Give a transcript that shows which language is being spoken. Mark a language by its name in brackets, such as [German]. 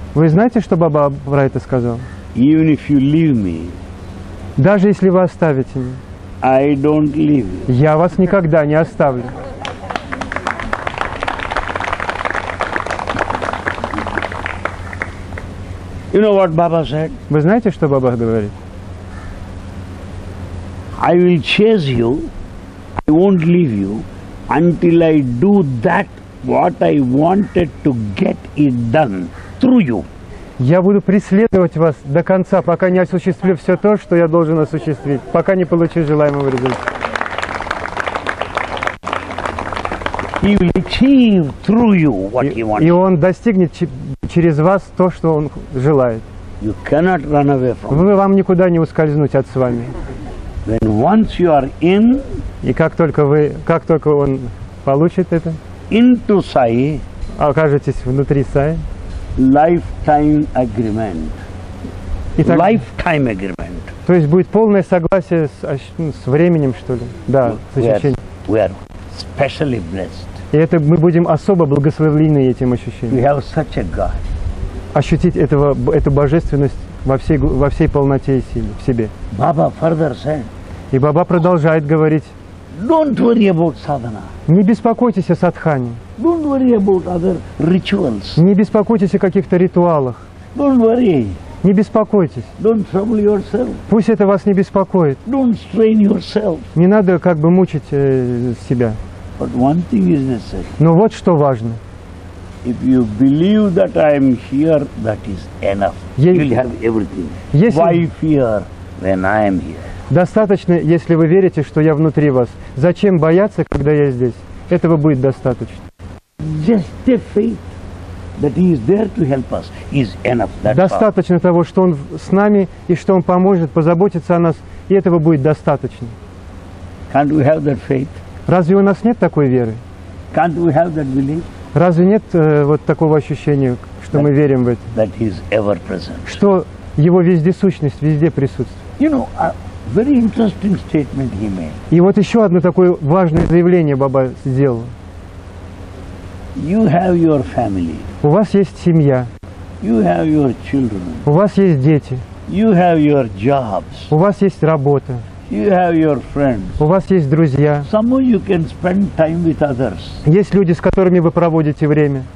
[Russian] Вы знаете, что Баба про это сказал? [English] Even if you leave me, [Russian] даже если вы оставите меня, [English] I don't leave you. [Russian] Я вас никогда не оставлю. [English] You know what Baba said? [Russian] Вы знаете, что Баба говорит? [English] I will chase you, I won't leave you. Until I do that, what I wanted to get it done through you. [Russian] Я буду преследовать вас до конца, пока не осуществлю все то, что я должен осуществить, пока не получу желаемого результата. [English] He will achieve through you what he wants. [Russian] И он достигнет через вас то, что он желает. [English] You cannot run away from. [Russian] Вам никуда не ускользнуть от Свами. [English] When once you are in. [Russian] И как только он получит это, [English] into Sai, [Russian] окажетесь внутри Sai, [English] lifetime agreement. [Russian] Итак, [English] lifetime agreement. [Russian] То есть будет полное согласие с временем, что ли? Да, с ощущением. [English] We are specially blessed. [Russian] И это мы будем особо благословлены этим ощущением. [English] We have such a God. [Russian] Ощутить этого, эту божественность во всей полноте и силе в себе. [English] Baba further said. [Russian] И Баба продолжает говорить. [English] Don't worry about sadhana. [Russian] Не беспокойтесь о садхане. [English] Don't worry about other rituals. [Russian] Не беспокойтесь о каких-то ритуалах. [English] Don't worry. [Russian] Не беспокойтесь. [English] Don't trouble yourself. [Russian] Пусть это вас не беспокоит. [English] Don't strain yourself. [Russian] Не надо как бы мучить себя. [English] But one thing is necessary. [Russian] Но вот что важно. [English] If you believe that I am here, that is enough. You'll have everything. Why fear when I am here? [Russian] Достаточно, если вы верите, что я внутри вас. Зачем бояться, когда я здесь? Этого будет достаточно. [English] Just a faith that he is there to help us is enough. That [Russian] достаточно [English] power. [Russian] Того, что он с нами и что он поможет, позаботится о нас, и этого будет достаточно. [English] Can't we have that faith? [Russian] Разве у нас нет такой веры? [English] Can't we have that belief? [Russian] Разве нет вот такого ощущения, что that, мы верим в это? [English] That he is ever present. [Russian] Что его вездесущность везде присутствует. [English] You know, very interesting statement he made. [Russian] И вот еще одно такое важное заявление Баба сделал. [English] You have your family. [Russian] У вас есть семья. [English] You have your children. [Russian] У вас есть дети. [English] You have your jobs. [Russian] У вас есть работа. [English] You have your friends. [Russian] У вас есть друзья. [English] Some you can spend time with others. [Russian] Есть люди, с которыми вы проводите время.